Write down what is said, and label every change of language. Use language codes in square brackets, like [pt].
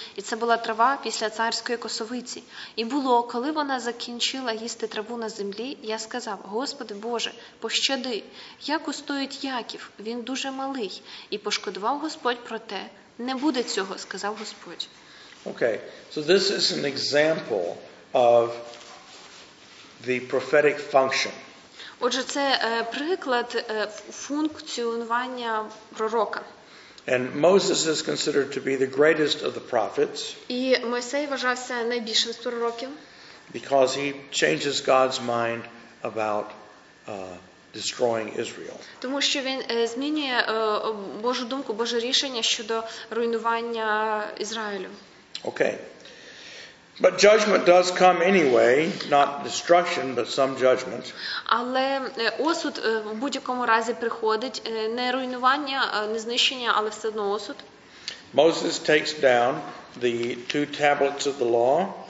[uk] І це була трава після царської косовиці. І було, коли вона закінчила їсти траву на землі, я сказав, Господи Боже, пощади, як устоїть Яків, він дуже малий. І пошкодував Господь про те, не буде цього, сказав Господь. [en] Okay, so this is an example of the prophetic function. [uk] Отже, це приклад функціонування пророка. [en] And Moses is considered to be the greatest of the prophets. [uk] І Мойсей вважався найбільшим з пророків. [en] Because he changes God's mind about destroying Israel. [uk] Тому що він змінює Божу думку, Боже рішення щодо руйнування Ізраїлю. [en] Okay. But judgment does come anyway, not destruction, but some judgment. [uk] Але осуд в будь-якому разі приходить, не руйнування, не знищення, але все одно осуд. [en] Moses takes down the two tablets of the law.